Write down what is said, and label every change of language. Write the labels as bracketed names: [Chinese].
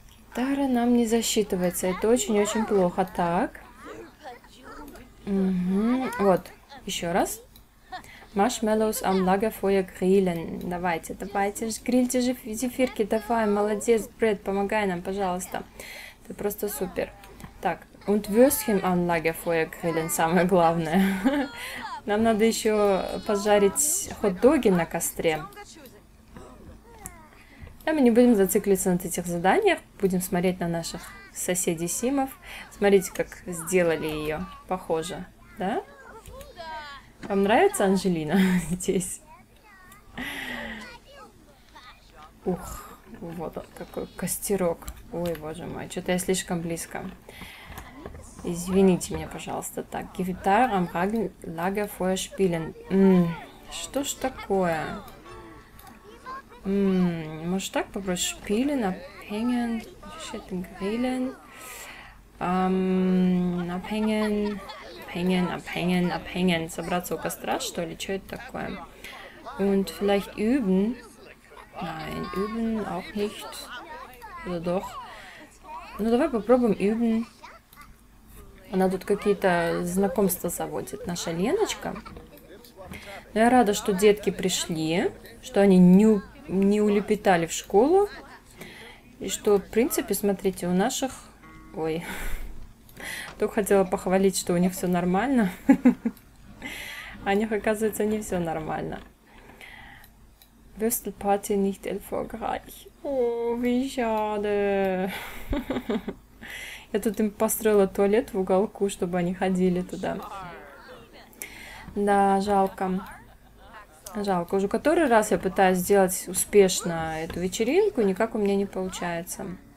[Russian] Гитара нам не засчитывается. Это очень-очень плохо. Так. Угу. Вот. Еще раз. Marshmallows am Lagerfeuer grillen. Давайте, давайте, грильте же зефирки. Давай, молодец, Брэд, помогай нам, пожалуйста. Ты просто супер. Так, [German] und Würstchen am Lagerfeuer grillen, [Russian] самое главное. Нам надо еще пожарить хот-доги на костре. Да, мы не будем зацикливаться на этих заданиях. Будем смотреть на наших соседей симов. Смотрите, как сделали ее, похоже, да? Вам нравится Анжелина здесь? Ух, вот он, какой костерок. Ой, боже мой, что-то я слишком близко. Извините меня, пожалуйста. Так, [German] Gitarre am Lagerfeuer spielen. [Russian] Что ж такое? Может так попросить? [German] Spielen, abhängen, grillen. Abhängen. Abhängen, abhängen, abhängen. [Russian] Собраться у костра, что ли? Что это такое? [German] Und vielleicht üben? Nein, üben auch nicht. Oder doch? [Russian] Ну, давай попробуем [German] üben. [Russian] Она тут какие-то знакомства заводит, наша Леночка. Но я рада, что детки пришли, что они не улепетали в школу. И что, в принципе, смотрите, у наших... Ой... Только хотела похвалить, что у них все нормально. А у них, оказывается, не все нормально. [German] Würstelparty nicht erfolgreich. О, wie schade. [Russian] Я тут им построила туалет в уголку, чтобы они ходили туда. Да, жалко. Жалко. Уже который раз я пытаюсь сделать успешно эту вечеринку, никак у меня не получается.